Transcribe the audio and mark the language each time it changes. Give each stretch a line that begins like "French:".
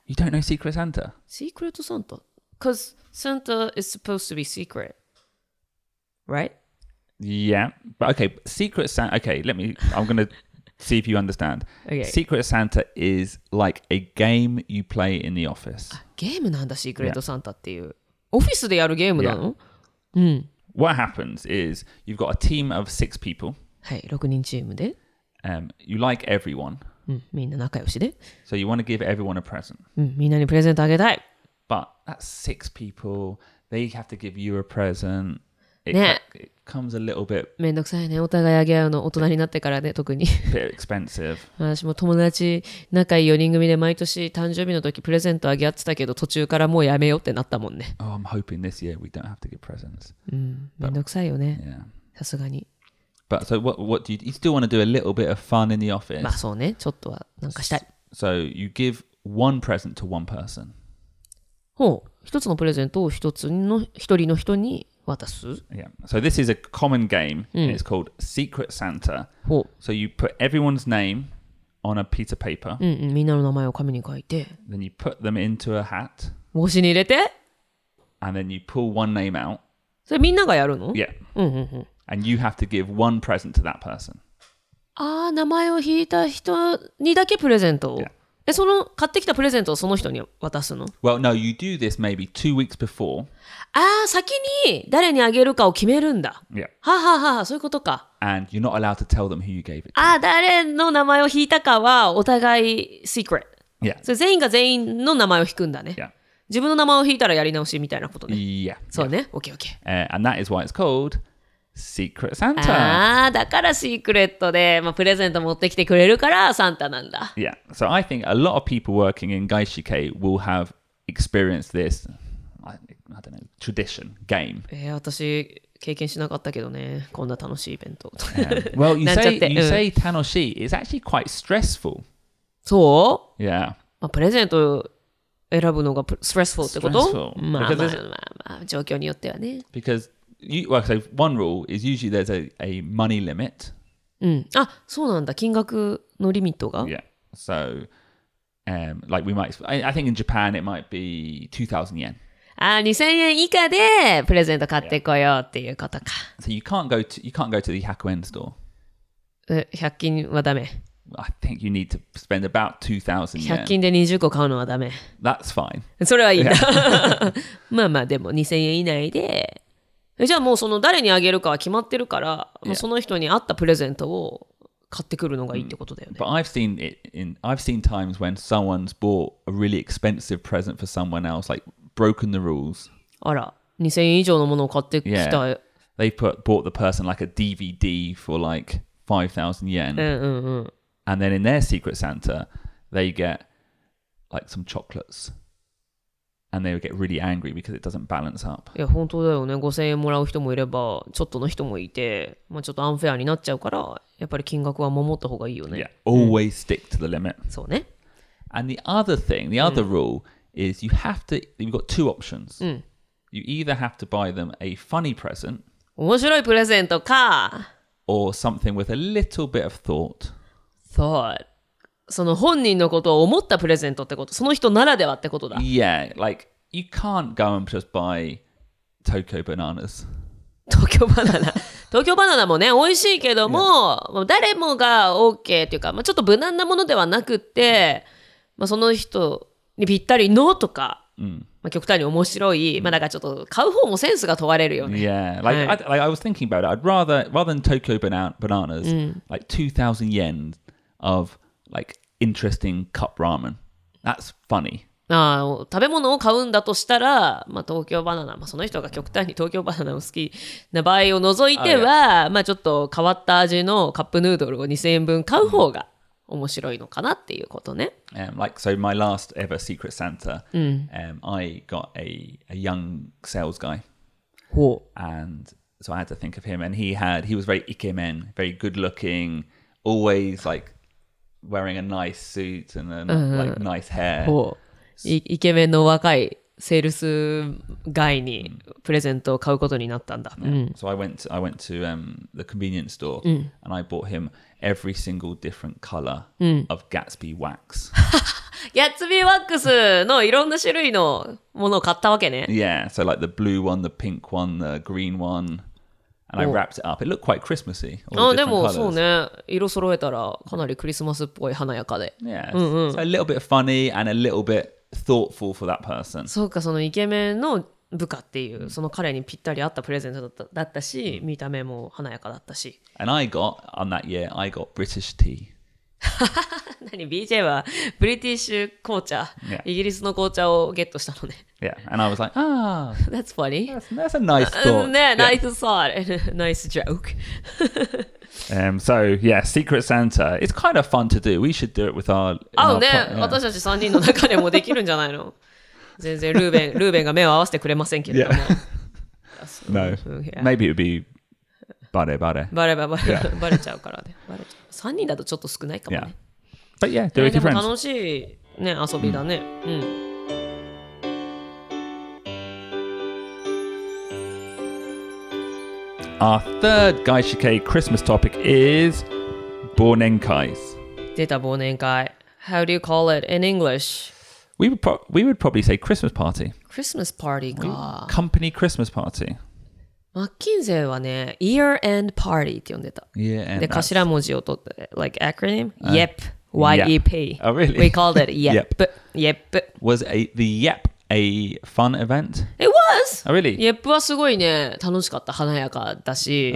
English: You don't know Secret Santa? Secret Santa? Because Santa is supposed to be secret, right? Yeah, but okay, Secret Santa, okay, I'm going to see if you understand. Okay. Secret Santa is like a game you play in the office.
Japanese: Game なんだ、Secret Santa っていう。Office でやるゲームなの?
English: Yeah. What happens is you've got a team of six people.
Japanese: はい、6人チームで。
English: You like everyone.
Japanese: うん、みんな仲良しで。
English: So you want to give everyone a present.
Japanese: うん、みんなにプレゼントあげたい。
English: But that's six people. They have to give you a present. It comes a little bit...
Japanese: めんどくさいね。お互いあげ合うの大人になってからね、特に。
English: Bit expensive.
Japanese: 私も友達、仲良い4人組で毎年誕生日の時プレゼントあげ合ってたけど、途中からもうやめようってなったもんね。
English: Oh, I'm hoping this year we don't have to give presents.
Japanese: うん、めんどくさいよね。
English: Yeah.
Japanese: さすがに。
English: But so what do you still want to do a little bit of fun in the office?
Japanese: まあそうね、ちょっとはなんかしたい。
English: So you give one present to one person.
Japanese: ほう、一つのプレゼントを一人の人に渡 Watasu?
English: Yeah. So this is a common game. And it's called Secret Santa. So you put everyone's name on a piece of paper.
Japanese: みんなの名前を紙に書いて。
English: Then you put them into a hat.
Japanese: 帽子に入れて。
English: And then you pull one name out.
Japanese: それみんながやるの?
English: Yeah. And you have to give one present to that person.
Japanese: ああ、名前を引いた人にだけプレゼントを。
English: Yeah.
Japanese: え、その買ってきたプレゼントをその人に渡すの?
English: Well, no, you do this maybe 2 weeks before.
Japanese: ああ、先に誰にあげるかを決めるんだ。
English: Yeah.
Japanese: はははは、そういうことか。
English: And you're not allowed to tell them who you gave it to.
Japanese: ああ、誰の名前を引いたかはお互い secret.
English: Yeah.
Japanese: それ全員が全員の名前を引くんだね。
English: Yeah.
Japanese: 自分の名前を引いたらやり直しみたいなことね。
English: Yeah. そうね。Yeah. OK, OK. And that is why it's called... Secret Santa.
Japanese: ああ、だからシークレットで、まあ、プレゼント持ってきてくれるからサンタなんだ。
English: Yeah. So I think a lot of people working in Gaishike will have experienced this, I don't know, tradition, game.
Japanese: 私、経験しなかったけどね。こんな楽しいイベント。
English: Yeah. Well, you say 楽しい. It's actually quite stressful.
Japanese: そう?
English: Yeah.
Japanese: まあ、プレゼント選ぶのがstressful ってこと?
English: Stressful.
Japanese: まあまあ、状況によってはね。
English: Because... Well, so one rule is usually there's a money limit.
Japanese: あ、そうなんだ。金額のリミットが?
English: Yeah. So, like we might... I think in Japan it might be 2,000 yen.
Japanese: あ、2,000 円以下でプレゼント買ってこようっていうことか。
English: So you can't go to the 100 yen store.
Japanese: 100均はダメ。
English: I think you need to spend about 2,000
Japanese: yen. 100均で20個買うのはダメ。
English: That's fine.
Japanese: それはいいな。Yeah. まあまあ、でも2,000円以内で...じゃあもうその誰にあげるかは決まってるから、yeah. もうその人に合ったプレゼントを買ってくるのがいいってことだよね。
English: But I've seen times when someone's bought a really expensive present for someone else, like broken the rules.
Japanese: あら、2000円以上のものを買ってきた。
English: Yeah. They bought the person like a DVD for like 5,000 yen.
Japanese: うんうんうん。
English: And then in their secret Santa, they get like some chocolates. And they would get really angry because it doesn't balance up.
Japanese: いや、本当だよね。5000円もらう人もいれば、ちょっとの人もいて、まあ、ちょっとアンフェアになっちゃうから、やっぱり金額は守った方がいいよね。
English: Yeah, always stick to the limit.
Japanese: そうね。
English: And the other thing, the other rule is you have to, you've got two options. You either have to buy them a funny present.
Japanese: 面白いプレゼントか。
English: Or something with a little bit of thought. Thought.
Japanese: その本人のことを思ったプレゼントってこと、その人ならではってことだ。
English: Yeah, like you can't go and just buy Tokyo bananas. Tokyo banana.
Japanese: Tokyo banana もね、美味しいけども、yeah. 誰もが OK っていうか、まあ、ちょっと無難なものではなくって、まあ、その人にぴったりのとか、まあ、極端に面白い、まあ、なんかちょっと買う方もセンスが問われるよね。
English: Yeah, like,、はい、I was thinking about it. I'd rather than Tokyo bananas, like 2,000 yen of. Like interesting cup ramen. That's funny.
Japanese: ああ、食べ物を買うんだとしたら、まあ東京バナナ、まあその人が極端に東京バナナを好きな場合を除いては、 oh, yeah. まあちょっと変わった味のカップヌードルを2000円分買う方が面白いのかなっていうことね。
English: Like so, my last ever Secret Santa, I got a young sales guy.
Japanese: ほう。
English: And so I had to think of him, and he was very ikemen, very good looking, always like. Wearing a nice suit and a, like nice hair.
Japanese: イケメンの若いセールスガイにプレゼントを買うことになったんだ。
English: So I went to the convenience store and I bought him every single different color of Gatsby wax.
Japanese: Gatsby wax のいろんな種類のものを買ったわけね。
English: Yeah, so like the blue one, the pink one, the green one. And I wrapped it up. It looked quite Christmassy.
Japanese: ああ、でもそうね。色揃えたらかなりクリスマスっぽい華やかで。
English: Yeah. うんうん。 So a little bit funny and a little bit thoughtful for that person.
Japanese: そうか、そのイケメンの部下っていう、その彼にぴったり合ったプレゼントだったし、見た目も華やかだったし。
English: And I got, on that year, I got British tea.
Japanese: 何 ?BJ はブリティッシュ紅茶。
English: Yeah.
Japanese: イギリスの紅茶をゲットしたのね。
English: Yeah, and I was like, ah, that's funny. That's a nice thought. Yeah, nice thought. Nice joke. So, yeah, Secret Santa. It's kind of fun to do. We should do it with our... Oh, our yeah.
Japanese: 私たち3人の中でもできるんじゃないの?全然ルーベンが目を合わせてくれませんけれども。
English: Yeah. No. Maybe it would be バレ。
Japanese: バレちゃうからね。 3人だとちょっと少ないかもね。
English: Yeah. But yeah, do it with your friends.
Japanese: でも楽しい、ね、遊びだね。
English: our third Gaishike Christmas topic is 忘年会
Japanese: 出た忘年会
English: How do you call it in English? We would probably say Christmas party.
Japanese: Christmas party か
English: Company Christmas party.
Japanese: マッキンゼはね Year End Party って呼んでた
English: Yeah,
Japanese: and で頭文字を取って
English: Like acronym? YEP Y-E-P Oh really? We called it YEP YEP, yep. Was the YEP a fun event? It was! Oh really?
Japanese: YEP はすごいね楽しかった華やかだし